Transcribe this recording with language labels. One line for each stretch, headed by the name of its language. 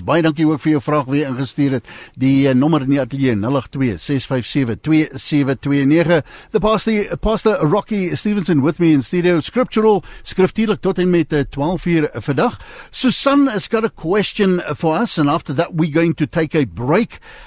Afrikaans: Baie dankie ook vir jou vraag weer ingestuur het. Die nommer in die atelier, 082-657-2729.
English: The pastor Rocky Stevenson with me in studio.
Afrikaans: Scriptural, skriftuurlijk, tot en met 12 uur vandag.
English: Susan has got a question for us, and after that we're going to take a break.